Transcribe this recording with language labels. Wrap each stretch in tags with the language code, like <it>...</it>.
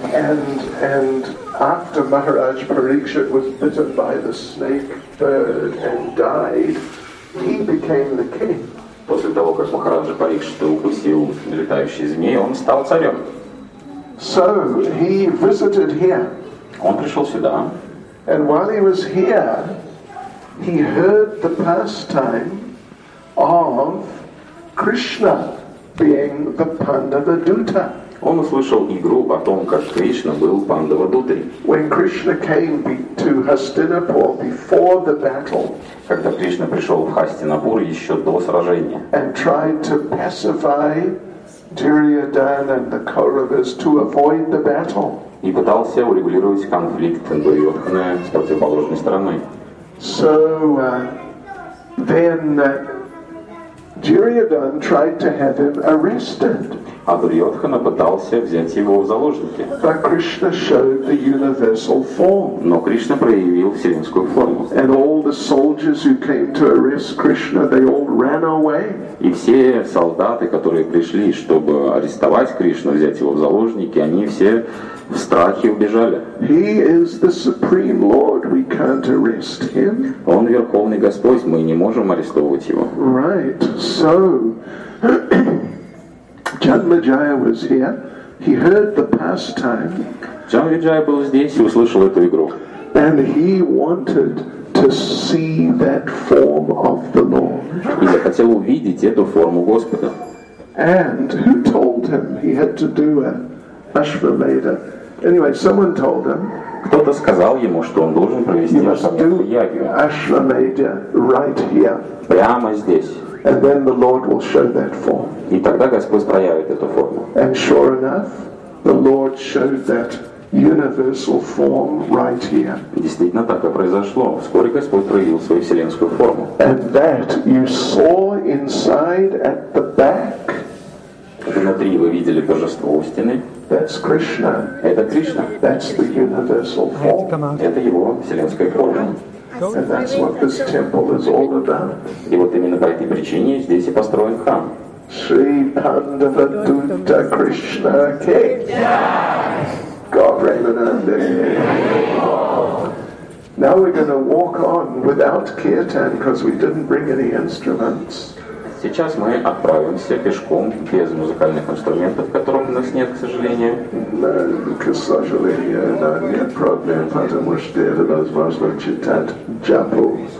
<en>And after Maharaj Pariksha was bitten by the snake bird and died, he became the king.</en> <ru>После того, как Махараджа Парикшита укусил летающий змей, он стал царем.</ru> <en>So he visited here.</en> <ru>Он пришел сюда.</ru> <en>And while he was here, he heard the pastime of Krishna being the Pandava Duta.</en> <ru>Он услышал игру о том, как Кришна был Пандава Дутой.</ru> <en>When Krishna came to Hastinapur before the battle,</en> <ru>когда Кришна пришел в Хастинапур еще до сражения,</ru> <en>and tried to pacify Duryodhana and the Kauravas to avoid the battle,</en> <ru>и пытался урегулировать конфликт Дурьодхана с противоположной стороны.</ru> <en>So then Duryodhana tried to have him arrested.</en> <ru>А Дурьодхана пытался взять его в заложники.</ru> <en>But Krishna showed the universal form.</en> <ru>Но Кришна проявил вселенскую форму.</ru> <en>And all the soldiers who came to arrest Krishna, they all ran away.</en> <ru>И все солдаты, которые пришли, чтобы арестовать Кришну, взять его в заложники, они все в страхе убежали.</ru> <en>He is the Supreme Lord. We can't arrest him.</en> <ru>Он Верховный Господь, мы не можем арестовывать его.</ru> <en>Right. So Janmajaya was here. He heard the pastime.</en> <ru>Janmajaya был здесь и услышал эту игру.</ru> <en>And he wanted to see that form of the Lord.</en> <ru>И захотел увидеть эту форму Господа.</ru> <en>And who told him he had to do it? Ashvamedha. Anyway, someone told him.</en> <ru>Кто-то сказал ему, что он должен провести Ашвамедху-ягью.</ru> <en>Ashvamedha right here.</en> <ru>Прямо здесь.</ru> <en>And then the Lord will show that form.</en> <ru>И тогда Господь проявит эту форму.</ru> <en>And sure enough, the Lord showed that universal form right here.</en> <ru>Действительно так и произошло. Вскоре Господь проявил свою вселенскую форму.</ru> <en>And that you saw inside at the back.</en> <ru>Внутри вы видели божество у стены.</ru> <en>That's Krishna.</en> <ru>Это Кришна.</ru> <en>That's the universal form.</en> <ru>Это его вселенская форма.</ru> <en>And that's what this temple is all about.</en> <ru>И вот именно по этой причине здесь и построен храм.</ru> <hi>Shri Pandava Duta Krishna Ki. God Brahmananda.</hi> <en>Now we're going to walk on without kirtan because we didn't bring any instruments.</en> <ru>Сейчас мы отправимся пешком без музыкальных инструментов, которых у нас нет, к сожалению. No, к сожалению, да, нет проблем, потому что это возможно читать джапу.</ru>